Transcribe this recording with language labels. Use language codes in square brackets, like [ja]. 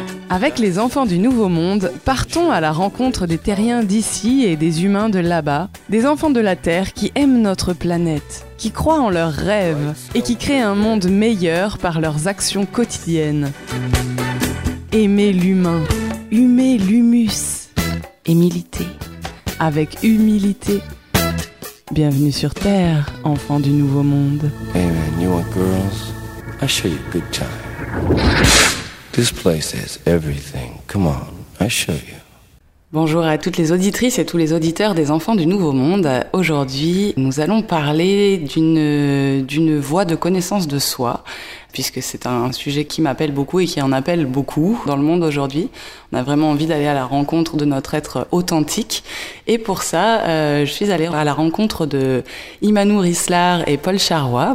[fr] Avec les enfants du Nouveau Monde, partons à la rencontre des terriens d'ici et des humains de là-bas, des enfants de la Terre qui aiment notre planète, qui croient en leurs rêves et qui créent un monde meilleur par leurs actions quotidiennes. Aimer l'humain, humer l'humus, humilité, avec humilité. Bienvenue sur Terre, enfants du Nouveau Monde. [en] Hey man, you want girls? I show you a good time. This place has everything. Come on, I show you. [fr] Bonjour à toutes les auditrices et tous les auditeurs des Enfants du Nouveau Monde. Aujourd'hui, nous allons parler d'une voie de connaissance de soi, puisque c'est un sujet qui m'appelle beaucoup et qui en appelle beaucoup dans le monde aujourd'hui. On a vraiment envie d'aller à la rencontre de notre être authentique. Et pour ça, je suis allée à la rencontre de Imanou Rislard et Paul Charroy.